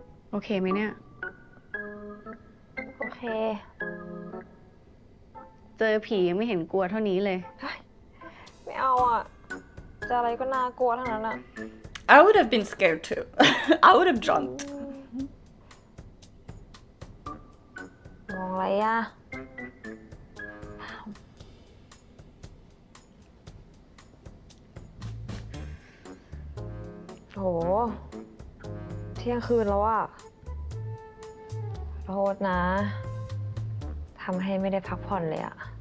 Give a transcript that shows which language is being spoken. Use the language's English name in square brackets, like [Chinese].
[Thai] โอเคไหมเนี่ย โอเค เจอผียังไม่เห็นกลัวเท่านี้เลย ไม่เอาอ่ะจะอะไรก็น่ากลัวทั้งนั้นอ่ะ [English] I would have been scared too I would have jumped [Thai] มองอะไรอ่ะโหเที่ยงคืนแล้วอ่ะโทษนะทำให้ไม่ได้พักผ่อนเลยอะ